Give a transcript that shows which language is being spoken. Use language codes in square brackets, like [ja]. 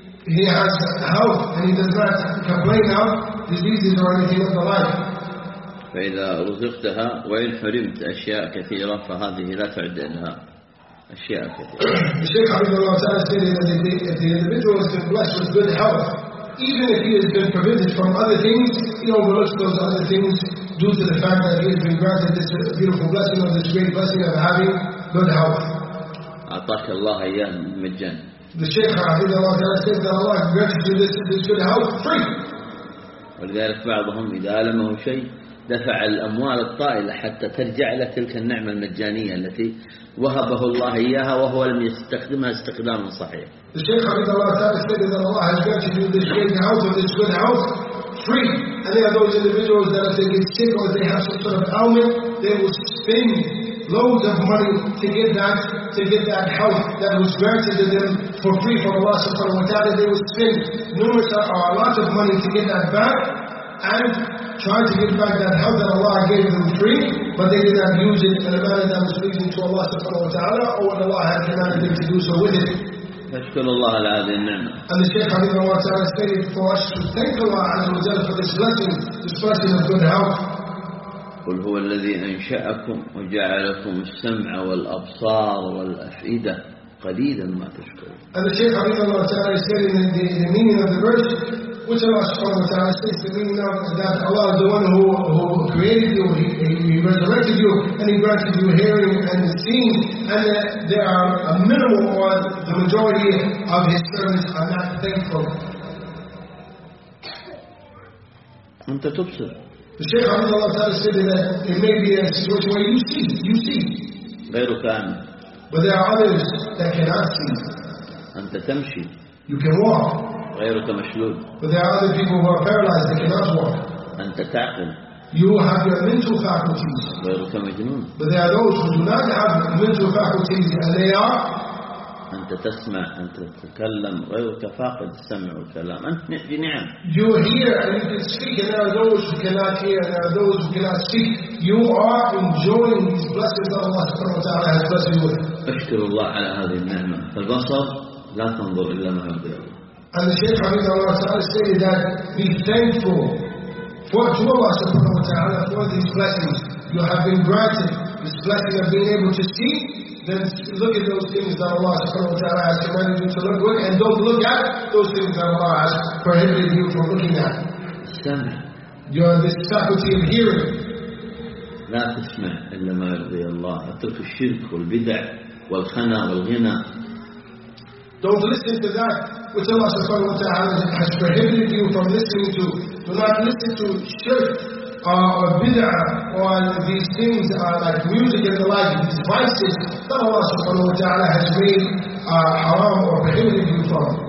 [en] He has health and he does not complain of diseases or anything of the like. [ar] فإذا رزقتها وإن حرمت أشياء كثيرة فهذه لا تعد إنها أشياء كثيرة. [en] The Shaykh Habibullah Zahra stated that if the individual has been blessed with good health, even if he has been prevented from other things, he overlooks those other things due to the fact that he has been granted this beautiful blessing or this great blessing of having good health. [ar] أعطاك الله إياه مجانا. [en] The Shaykh Habibullah Zahra said that Allah granted you this good health free. [ar] ولذلك بعضهم إذا ألمه شيء دفع الأموال الطائلة حتى ترجع له تلك النعمة المجانية التي وهبه الله إياها وهو لم يستخدمها استخداما صحيحا. [en] The Shaykh Habibullah Zahra stated that Allah has granted you this great health and this good health free. And there are those individuals that if they get sick or they have some sort of ailment, they will spend loads of money to get that health that was granted to them for free from Allah subhanahu wa ta'ala. They will spend a lot of money to get that back and try to give back that health that Allah gave them free, but they did not use it in a manner that was pleasing to Allah subhanahu wa ta'ala or what Allah had commanded them to do so with it. [ar] نشكر الله على هذه النعمة. [en] And the Sheikh Habib Allah Ta'ala stated for us to thank Allah Azza wa Jalla for this blessing, this blessing of good health. [ar] قل هو الذي أنشأكم وجعلكم السمع والأبصار والأفئدة قليلا ما تشكرون. [en] And the Sheikh Habib Allah Ta'ala stated in the meaning of the verse, which Allah Subhanahu wa Ta'ala states the meaning of that Allah is the one who created you, he resurrected you, and he granted you hearing and seeing, and that there are a minimal one, the majority of his servants are not thankful. [ar] أنت تبصر. [en] The Shaykh Abdul Allah Ta'ala said that it may be a situation where you see. [ar] غير كان. [en] But there are others that cannot see. [ar] أنت تمشي. [en] You can walk. [ar] غيرك مشلول. [en] But there are other people who are paralyzed, they cannot walk. [ar] أنت تعقل. [en] You have your mental faculties. [ar] غيرك مجنون. [en] But there are those who do not have mental faculties, and they are. [ar] أنت تسمع، أنت تتكلم، غيرك فاقد السمع والكلام. أنت بنعم. [en] You hear and you can speak, and there are those who cannot hear, and there are those who cannot speak. You are enjoying these blessings that Allah Subhanahu wa Taala has blessed you with. [ar] أشكر الله على هذه النعمة. البصر لا تنظر إلا ما يرضي الله. [en] And the Shaykh Habib Allah Ta'ala stated that be thankful for to Allah Subhanahu wa Ta'ala for these blessings. You have been granted this blessing of being able to see, then look at those things that Allah Subhanahu wa Ta'ala has commanded you to look with, and don't look at those things that Allah has prohibited you from looking at. You are this faculty of hearing. [ar] لا تسمع إلا ما يرضي الله. أترك الشرك والبدع والخنا والغنى. [en] Don't listen to that which Allah subhanahu wa ta'ala has prohibited you from listening to. Do not listen to shirk or bid'ah or these things like music and the like, these vices that Allah subhanahu wa ta'ala has made haram or prohibited you from.